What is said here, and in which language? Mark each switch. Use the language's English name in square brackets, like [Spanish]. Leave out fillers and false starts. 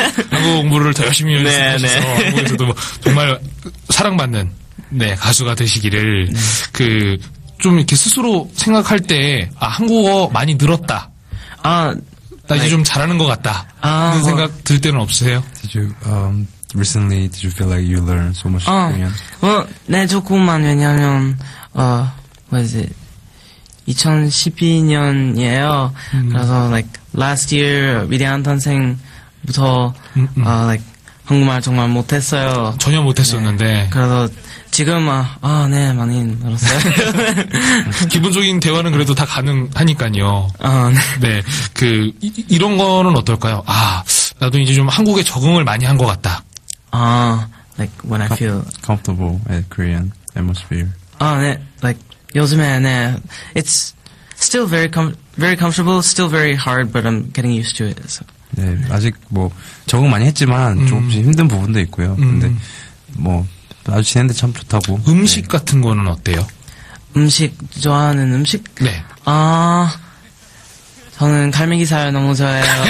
[Korean] 한국 공부를 더 열심히 해서 네, 네. 한국에서도 정말 사랑받는 네 가수가 되시기를 네. 그 좀 이렇게 스스로 생각할 때 아 한국어 많이 늘었다. 아 나 이제 좀 잘하는 것 같다. 아, 그런 뭐, 생각 들 때는 없으세요? [English] Did you recently did you feel like you learned so much Korean? [Korean] 뭐, 네 조금만 왜냐하면 뭐지 2012년이에요. 그래서 [English] like last year [Korean] 위대한 탄생부터 like 한국말 정말 못했어요. 전혀 못했었는데. 네. 그래서 지금 네 많이 늘었어요. 기본적인 대화는 그래도 다 가능하니까요. 네. 네. 그 이런 거는 어떨까요? 아 나도 이제 좀 한국에 적응을 많이 한 것 같다. [English] 아 like when I feel comfortable at Korean atmosphere. [Korean] 아 네. [English] Like [Korean] 요즘에 네 [English] it's still very comfortable, still very hard, but I'm getting used to it. So. [Korean] 네 아직 뭐 적응 많이 했지만 조금씩 힘든 부분도 있고요. 근데 뭐 아주 지내는데 참 좋다고. 음식 네. 같은 거는 어때요? 음식 좋아하는 음식? 네. 아 저는 갈매기 살 너무 좋아해요.